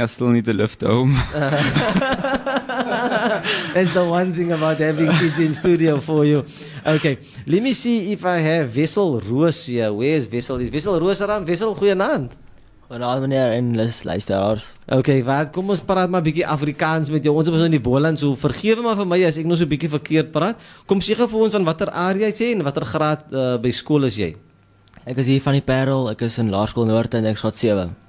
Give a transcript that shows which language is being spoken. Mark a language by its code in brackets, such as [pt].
[en] I still need to lift home. That's the one thing about having kids in studio for you. Okay, let me see if I have Vessel Roos here. Where's Vessel? Is Vessel Roos around? Vessel, [af] goeienaand. Goeienaand, meneer, en luisteraars. Okay, wat? Kom, ons praat maar bietjie Afrikaans met jou. Ons is in die Boland, so vergewe maar vir my as ek nou so bietjie verkeerd praat. Kom, sê gou vir ons van watter area jy sê en watter graad by skool is jy? Ek is hier van die Parel, ek is in Laerskool Noord en ek is graad 7.